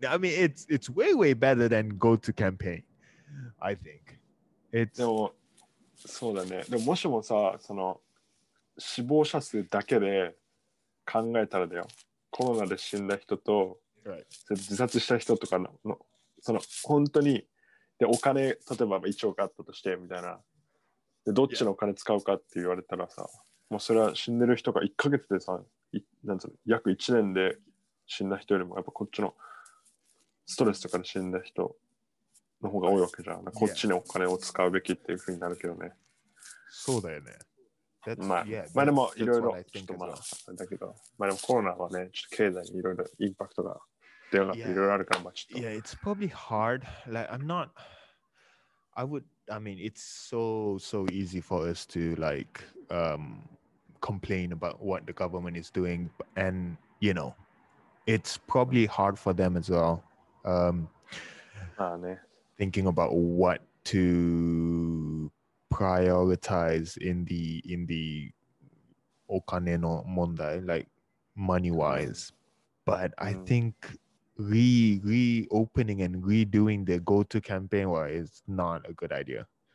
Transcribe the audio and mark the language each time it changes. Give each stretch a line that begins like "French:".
English: I mean, it's way way better than go to campaign, I think.
Japanese: でもそうだね。でももしもさ、その死亡者数だけで考えたらだよ、コロナで死んだ人と、
English: right.
Japanese: 自殺した人とかのその本当にで、お金例えば1億あったとしてみたいな、でどっちのお金使うかって言われたらさ、もうそれは死んでる人が1ヶ月でさ、なんつうの、約1年で死んだ人よりもやっぱこっちのストレスとかで死んだ人の方が多いわけじゃん。こっちにお金を使うべきっていうふうになるけどね。そうだよね。まあ、まあでもいろいろちょっとまあだけど、まあでもコロナはね、ちょっと経済にいろいろインパクトが出上がっていろいろあるからまあちょっと。
English: Yeah, it's probably hard. Like I'm not. I would. I mean, it's so so easy for us to like complain about what the government is doing, and you know, it's probably hard for them as well.
Japanese: ああね。
English: Thinking about what to prioritize in the
Japanese: okane no mondai,
English: like money wise, but I think reopening and redoing the go to campaign is not a good idea.